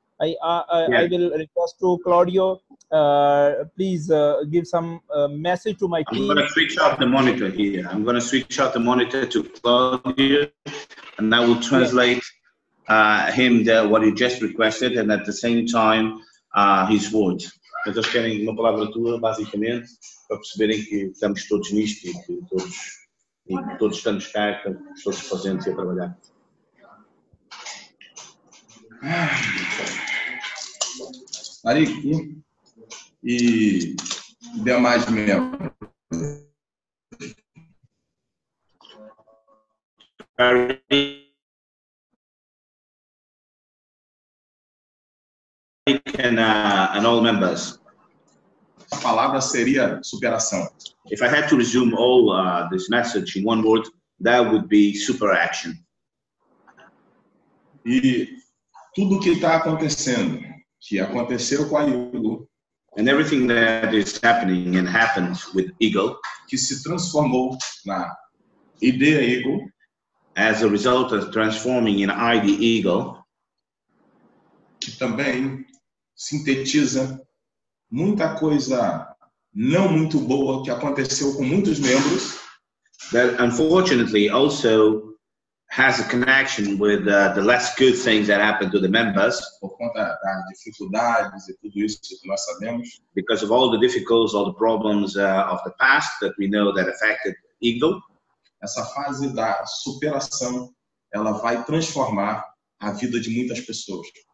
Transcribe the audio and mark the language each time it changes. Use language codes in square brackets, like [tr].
[en] I will request to Claudio, please give some message to my team. I'm going to switch out the monitor here. I'm going to switch out the monitor to Claudio, and I will translate him what he just requested, and at the same time, his words. [pt] Então, se querem uma palavra tua, basicamente, para perceberem que estamos todos nisto e que todos estamos cá, estamos todos presentes e a trabalhar. Marico e demais mesmo. [en] And all members. [pt] A palavra seria superação. [en] If I had to resume all this message in one word, that would be super action. [pt] E tudo que está acontecendo, que aconteceu com a Eagle, [en] and everything that is happening and happened with Eagle, [pt] que se transformou na IDIeagle, [en] as a result of transforming in IDIeagle, [pt] que também sintetiza muita coisa não muito boa que aconteceu com muitos membros. [en] That unfortunately also has a connection with the less good things that happened to the members. [pt] Por conta das dificuldades e tudo isso que nós sabemos. [en] Because of all the difficulties, all the problems of the past that we know that affected Eagle. [pt] Essa fase da superação, ela vai transformar a vida de muitas pessoas.